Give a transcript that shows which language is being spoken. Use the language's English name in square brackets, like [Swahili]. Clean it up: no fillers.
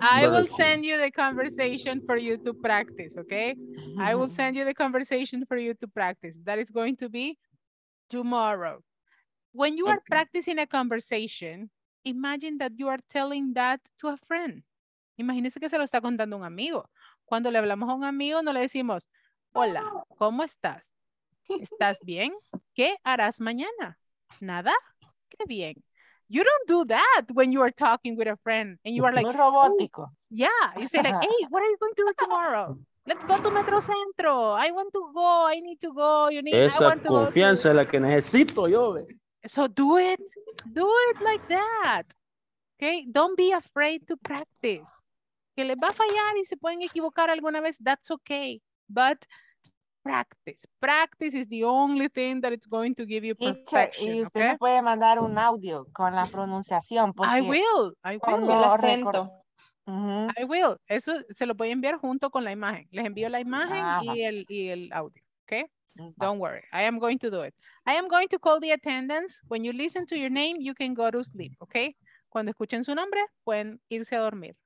[English] I will send you the conversation for you to practice, okay? Mm-hmm. I will send you the conversation for you to practice. That is going to be tomorrow. When you are practicing a conversation, imagine that you are telling that to a friend. [Spanish] Imagínese que se lo está contando un amigo. Cuando le hablamos a un amigo, no le decimos, hola, ¿cómo estás? ¿Estás bien? ¿Qué harás mañana? Nada. Qué bien. [English] You don't do that when you are talking with a friend. And you are like, [Spanish] muy robótico. [English] Yeah. You say like, hey, what are you going to do tomorrow? Let's go to Metro Centro. I want to go. I need to go. You need. [Spanish] Esa [English] I want to [Spanish] confianza es la que necesito yo. [English] So do it. Do it like that. Okay. Don't be afraid to practice. [Spanish] Que les va a fallar y se pueden equivocar alguna vez. [English] That's okay. But practice. Practice is the only thing that it's going to give you perfection. [Spanish] Y usted me puede mandar un audio con la pronunciación. [English] I will. I will. [Spanish] Con el acento. [English] Uh-huh. I will. [Spanish] Eso se lo voy a enviar junto con la imagen. Les envío la imagen y el audio. [English] Okay? Don't worry. I am going to do it. I am going to call the attendance. When you listen to your name, you can go to sleep. Okay? [Spanish] Cuando escuchen su nombre, pueden irse a dormir.